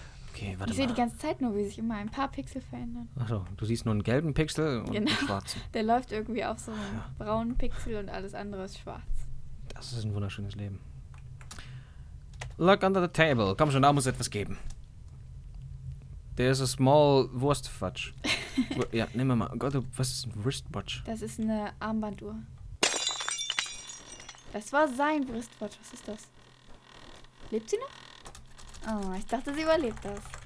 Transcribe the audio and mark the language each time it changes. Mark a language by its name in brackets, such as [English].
[German] Okay, warte mal. Ich sehe die ganze Zeit nur, wie sich immer ein paar Pixel verändern. Achso, du siehst nur einen gelben Pixel und genau. Einen schwarzen. Der läuft irgendwie auf so einen braunen Pixel und alles andere ist schwarz. Das ist ein wunderschönes Leben. [English] Look under the table. [German] Komm schon, da muss etwas geben. [English] There's a small Wurstfudge. [German] Ja, nehmen wir mal. Oh Gott, was ist ein Wristwatch? Das ist eine Armbanduhr. Das war sein Wristwatch. Was ist das? Lebt sie noch? Oh, ich dachte, sie überlebt das.